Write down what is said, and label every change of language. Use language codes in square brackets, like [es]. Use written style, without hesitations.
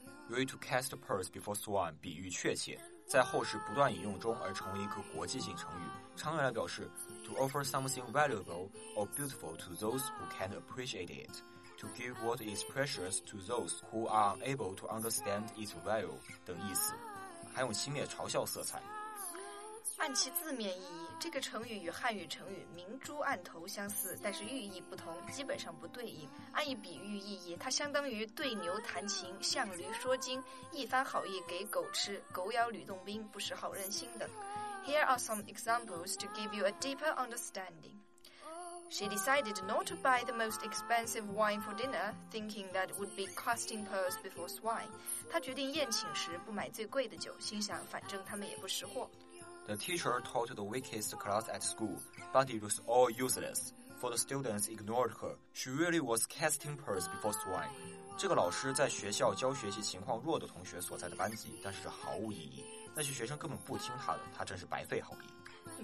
[zh] 由于 [en] to cast pearls before swine [zh] 比喻确切，在后世不断引用中而成为一个国际性成语，常用来表示 [en] to offer something valuable or beautiful to those who can't appreciate it. To give what is precious to those who are unable to understand its value [zh] 等意思，还有轻蔑嘲笑色彩。按其字面意义，这个成语与汉语成语明珠暗头相似，但是寓意不同，基本上不对应。按以比喻意义，它相当于对牛弹琴，向驴说经，一番好意给狗吃，狗咬吕洞宾，不识好人心等。 [en] Here are some examples to give you a deeper understandingShe decided not to buy the most expensive wine for dinner, thinking that would be casting pearls before swine. [zh] 她决定宴请时不买最贵的酒，心想反正他们也不识货。 [en] The teacher taught the weakest class at school, but it was all useless. For the students ignored her, she really was casting pearls before swine. [zh] 这个老师在学校教学习情况弱的同学所在的班级，但是毫无意义。那些学生根本不听他的，他真是白费好意。